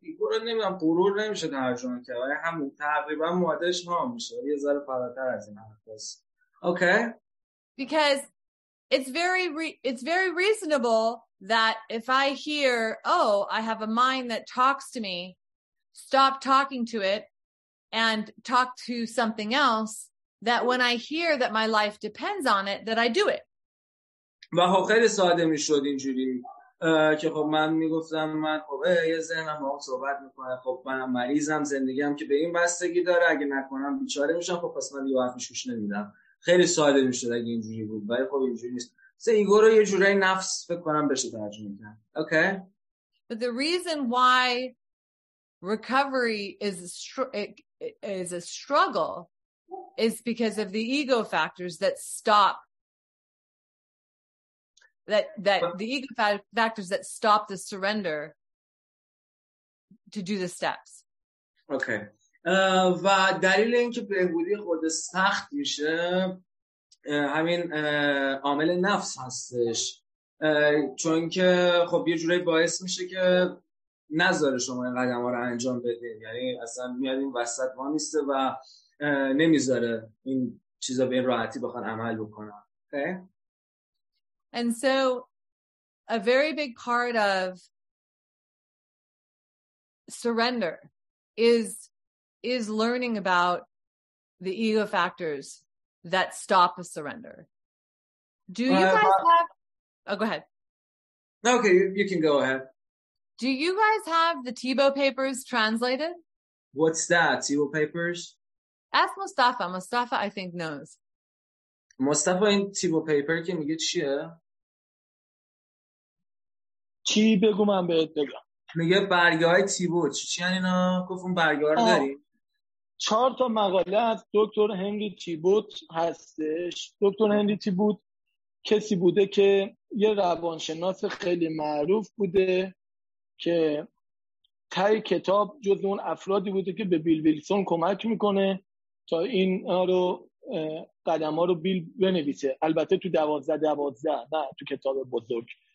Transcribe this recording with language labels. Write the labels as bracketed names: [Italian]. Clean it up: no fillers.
[Persian] غرور نمیدونم، غرور نمیشه ترجمه کرد، ولی هم تقریبا مادهش ها میشه یه ذره فراتر از این حرف هست. [English] Okay. Because it's very reasonable that if I hear, oh, I have a mind that talks to me, stop talking to it and talk to something else, that when I hear that my life depends on it, that I do it. [Persian] و خیلی ساده میشد اینجوری که خب من میگفتم من خب یه ذهنم با هم صحبت میکنه، خب منم مریضم، زندگیم که به این بستگی داره، اگه نکنم بیچاره میشم، خب پس من یه وقتش گوش نمیدم. خیلی ساده میشد اگه اینجوری بود، ولی خب اینجوری نیست. سه ایگو رو یه جورای نفس فکر کنم بشه ترجمه کرد. [English] Okay. But the reason why recovery is a struggle is because of the ego factors that stop that stop the surrender to do the steps. Okay. [Persian] و دلیل اینکه بهبودی خود سخت میشه همین عامل نفس هستش، چون که خب یه جوری باعث میشه که نذاره شما این قدم ها رو انجام بدین، یعنی اصلا میاد این وسط وانیسته و نمیذاره این چیزا به این راحتی بخوان عمل بکنن. [English] Okay. And so a very big part of surrender is learning about the ego factors that stop a surrender. Do you guys have... Oh, go ahead. Okay, you can go ahead. Do you guys have the Thibaut papers translated? What's that, Thibaut papers? Ask Mustafa. Mustafa, I think, knows. Mustafa in Thibaut paper, can you get you? [Persian] چی بگو من بهت بگم؟ میگه برگه های تیبو چی یعنی اینا؟ گفت اون برگه ها رو داریم. چهار تا مقاله از دکتر هنری تیبوت هستش. دکتر هنری تیبوت کسی بوده که یه روانشناس خیلی معروف بوده که تای کتاب جز اون افرادی بوده که به بیل ویلسون کمک میکنه تا این رو قدم ها رو بیل بنویسه، البته تو دوازده دوازده نه تو کتاب بزرگ.